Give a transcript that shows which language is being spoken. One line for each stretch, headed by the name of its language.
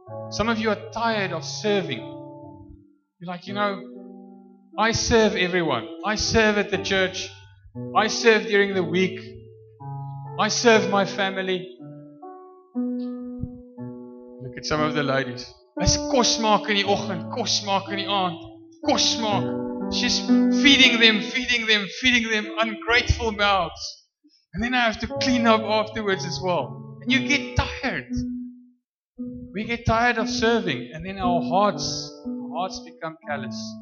English: Some of you are tired of serving. You're like, you know, I serve everyone. I serve at the church. I serve during the week. I serve my family. Look at some of the ladies.
Afrikaans: As kos maak in die oggend, kos maak in die aand, kos maak.
English: She's feeding them ungrateful mouths. And then I have to clean up afterwards as well. And you get tired. We get tired of serving, and then our hearts become callous.